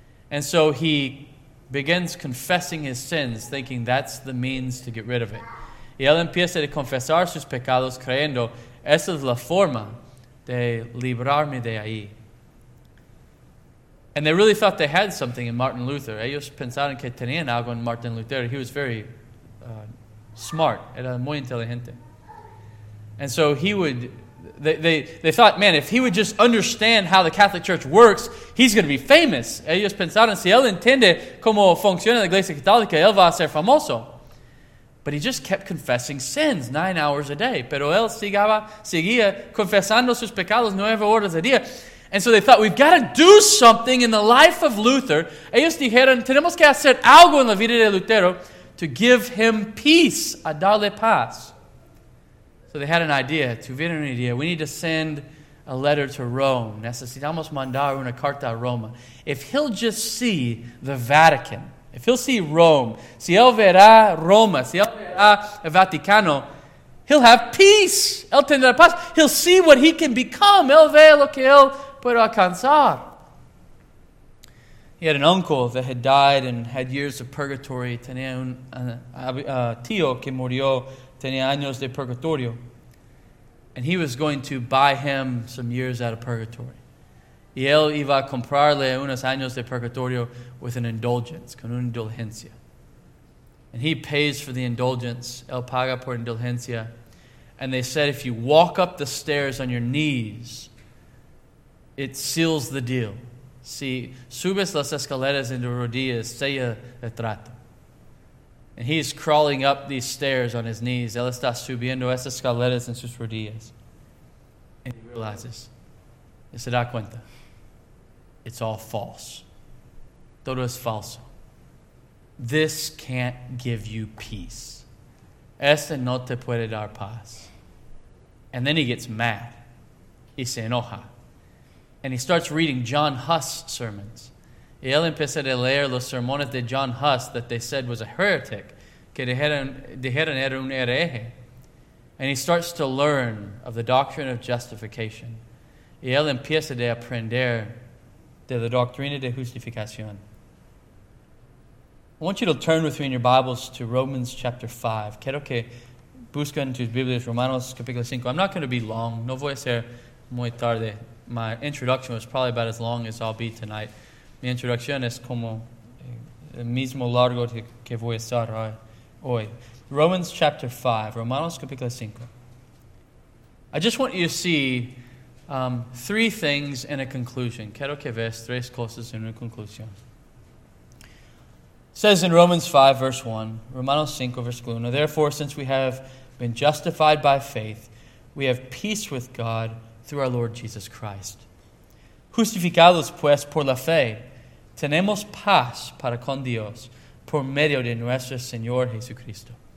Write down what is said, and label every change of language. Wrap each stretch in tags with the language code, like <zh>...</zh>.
<en>And so he begins confessing his sins, thinking that's the means to get rid of it.</en> <es>Y él empieza a confesar sus pecados creyendo, esa es la forma de librarme de ahí.</es> <en>And they really thought they had something in Martin Luther.</en> <es>Ellos pensaron que tenían algo en Martin Luther.</es> <en>He was very smart.</en> <es>Era muy inteligente.</es> <en>And so he would, they thought, man, if he would just understand how the Catholic Church works, he's going to be famous.</en> <es>Ellos pensaron, si él entiende cómo funciona la Iglesia Católica, él va a ser famoso.</es> <en>But he just kept confessing sins 9 hours a day.</en> <es>Pero él seguía confesando sus pecados 9 horas a día.</es> <en>And so they thought, we've got to do something in the life of Luther.</en> <es>Ellos dijeron, tenemos que hacer algo en la vida de Lutero</es> <en>to give him peace,</en> <es>a darle paz.</es> <en>So they had an idea.</en> <es>Tuvieron una idea.</es> <en>We need to send a letter to Rome.</en> <es>Necesitamos mandar una carta a Roma.</es> <en>If he'll just see the Vatican, if he'll see Rome,</en> <es>si él verá Roma, si él verá el Vaticano,</es> <en>he'll have peace.</en> <es>Él tendrá paz.</es> <en>He'll see what he can become.</en> <es>Él ve lo que él puede alcanzar.</es> <en>He had an uncle that had died and had years of purgatory.</en> <es>Tenía un tío que murió, tenía años de purgatorio.</es> <en>And he was going to buy him some years out of purgatory.</en> <es>Y él iba a comprarle unos años de purgatorio</es> <en>with an indulgence,</en> <es>con una indulgencia.</es> <en>And he pays for the indulgence.</en> <es>Él paga por indulgencia.</es> <en>And they said, if you walk up the stairs on your knees, it seals the deal.</en> <es>Si subes las escaleras en tus rodillas, sella el trato.</es> <en>And he's crawling up these stairs on his knees.</en> <es>Él está subiendo esas escaleras en sus rodillas.</es> <en>And he realizes,</en> <es>y se da cuenta,</es> <en>it's all false.</en> <es>Todo es falso.</es> <en>This can't give you peace.</en> <es>Este no te puede dar paz.</es> <en>And then he gets mad.</en> <es>Y se enoja.</es> <en>And he starts reading John Huss' sermons.</en> <es>Y él empieza a leer los sermones de John Huss</es> <en>that they said was a heretic,</en> <es>que dijeron era un hereje.</es> <en>And he starts to learn of the doctrine of justification.</en> <es>Y él empieza a aprender de la doctrina de justificación.</es> <en>I want you to turn with me in your Bibles to Romans chapter 5.</en> <es>Quiero que busquen tus Biblias, Romanos capítulo 5.</es> <en>I'm not going to be long.</en> <es>No voy a ser muy tarde.</es> <en>My introduction was probably about as long as I'll be tonight.</en> <es>Mi introducción es como el mismo largo que voy a estar hoy.</es> <en>Romans chapter 5,</en> <es>Romanos capítulo 5.</es> <en>I just want you to see three things in a conclusion.</en> <es>Quiero que veas tres cosas en una conclusión.</es> <en>It says in Romans 5, verse 1,</en> <es>Romanos 5,</es> <en>verse 1, therefore, since we have been justified by faith, we have peace with God through our Lord Jesus Christ.</en> <es>Justificados pues por la fe, tenemos paz para con Dios por medio de nuestro Señor Jesucristo.</es>